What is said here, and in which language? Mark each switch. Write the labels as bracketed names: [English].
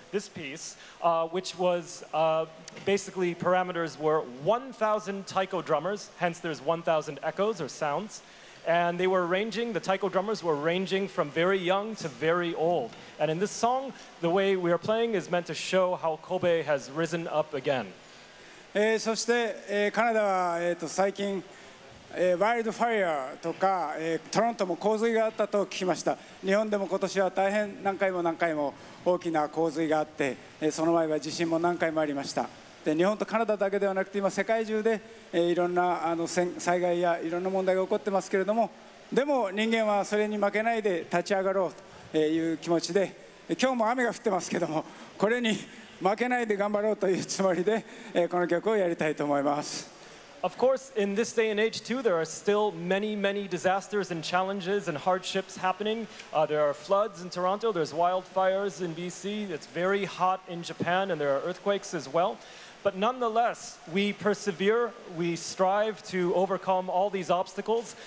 [English] This piece, which was basically parameters were 1,000 taiko drummers, hence there's 1,000 echoes or sounds, and they were ranging, the taiko drummers were ranging from very young to very old. And in this song, the way we are playing is meant to show how Kobe has risen up again. [Japanese] そして、カナダは、最近、ワイルドファイアとか、トロントも洪水があったと聞きました。日本でも今年は大変何回も何回も大きな洪水があって、その前は地震も何回もありました。で日本とカナダだけではなくて今世界中で、いろんなあの災害やいろんな問題が起こってますけれども、でも人間はそれに負けないで立ち上がろうという気持ちで、今日も雨が降ってますけども、これに負けないで頑張ろうというつもりで、この曲をやりたいと思います。 [English] Of course, in this day and age too, there are still many, many disasters and challenges and hardships happening. There are floods in Toronto, there's wildfires in BC, it's very hot in Japan, and there are earthquakes as well. But nonetheless, we persevere, we strive to overcome all these obstacles.